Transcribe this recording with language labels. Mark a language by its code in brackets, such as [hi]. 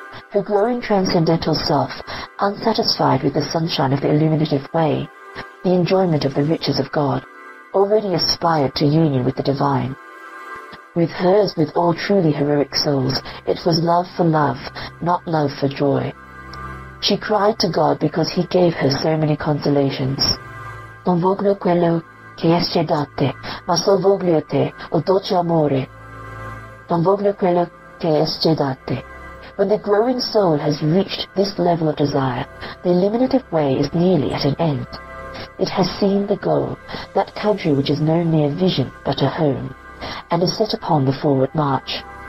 [en] Her growing transcendental self, unsatisfied with the sunshine of the illuminative way, the enjoyment of the riches of God, already aspired to union with the divine. With her, as with all truly heroic souls, it was love for love, not love for joy. She cried to God because he gave her so many consolations. [it] Non voglio quello che esce da te, ma sol voglio te, o dolce amore. Non voglio quello che esce da te. [en] When the growing soul has reached this level of desire, the illuminative way is nearly at an end. It has seen the goal, that country which is no mere vision, but a home, and is set upon the forward march.